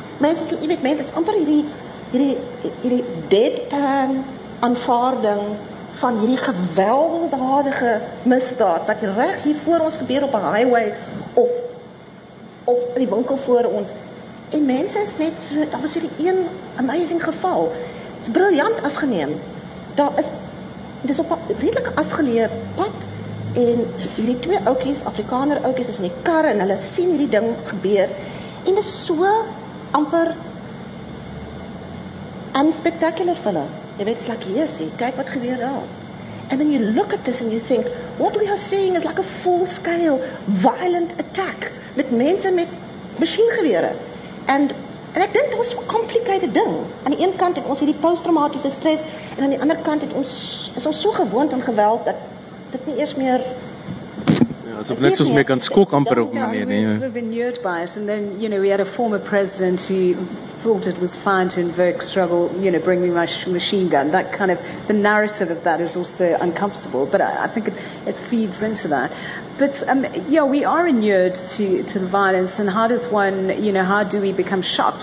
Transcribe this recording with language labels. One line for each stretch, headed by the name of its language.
Afrikaans: mense sal nie weet, mense is amper hierdie deadpan aanvaarding van hierdie gewelddadige misdaad wat reg hier voor ons gebeur op 'n highway of op die winkel voor ons. En mense is net so, daar was hierdie een amazing geval. Dit is briljant afgeneem. Daar is dis op 'n redelike afgeleë pad en hierdie twee ouetjies, Afrikaner ouetjies is in die kar en hulle sien hierdie ding gebeur en dit is so amper unspectacular vir hulle. Jy weet,
English: it's like, yes,
Afrikaans: kyk wat gebeur daar.
English: And then you look at this and you think, what we are seeing is like a full-scale violent attack
Afrikaans: met mense met masjiengewere. En ek dink dit was 'n complicated ding. Aan die een kant het ons hierdie posttraumatiese stres en aan die ander kant het ons is ons so gewoond aan geweld dat dit nie eers meer asof net soos meer kan skok amper op 'n manier nie.
English: Sort of inured by us, and then you know we had a former president who thought it was fine to invoke struggle, you know, bring me my machine gun. That kind of the narrative of that is also uncomfortable, but I think it feeds into that. But yeah, we are inured to the violence, and how does one, you know, how do we become shocked?